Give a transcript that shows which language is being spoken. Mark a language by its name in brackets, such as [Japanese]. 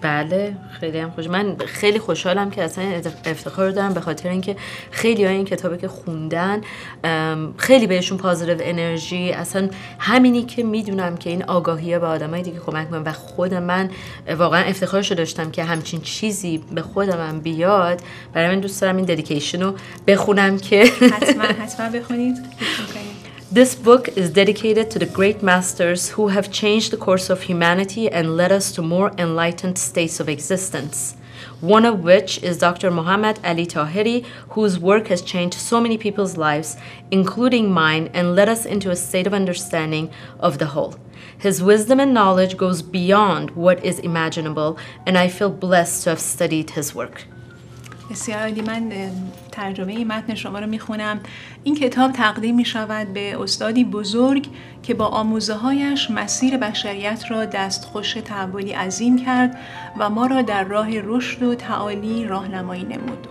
[Persian] بله خیلی هم خوش، من خیلی خوشحالم که اصلا افتخار دارم به خاطر اینکه خیلی ها این کتابی که خوندن خیلی بهشون پازیتیو انرژی، اصلا همینی که میدونم که این آگاهی ها به آدمای دیگه کمک میکنه و خود من واقعا افتخارش رو داشتم که همچین چیزی به خودم هم بیاد. برای من دوست دارم این dedication رو بخونم که حتما بخونید. [English] This book is dedicated to the great masters who have changed the course of humanity and led us to more enlightened states of existence. One of which is Dr. Muhammad Ali Tahiri, whose work has changed so many people's lives, including mine, and led us into a state of understanding of the whole. His wisdom and knowledge goes beyond what is imaginable, and I feel blessed to have studied his work. [Persian] بسیار عالی، من ترجمه این متن شما رو میخونم. این کتاب تقدیم میشود به استادی بزرگ که با آموزه‌هایش مسیر بشریت را دستخوش تحولی عظیم کرد و ما را در راه رشد و تعالی راهنمایی نمود.